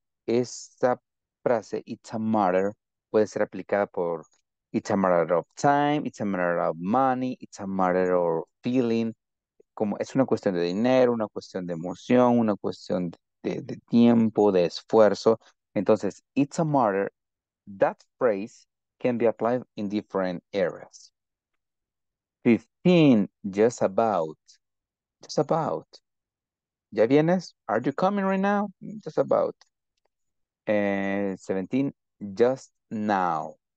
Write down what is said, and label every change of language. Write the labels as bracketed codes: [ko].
[es] Esta frase, [en] it's a matter, puede ser aplicada por it's a matter of time, it's a matter of money, it's a matter of feeling. [es] Como es una cuestión de dinero, una cuestión de emoción, una cuestión de tiempo, de esfuerzo. [en] Entonces, it's a matter, that phrase can be applied in different areas. 15, just about. Just about. [es] ¿Ya vienes? [en] Are you coming right now? Just about. 17, just now.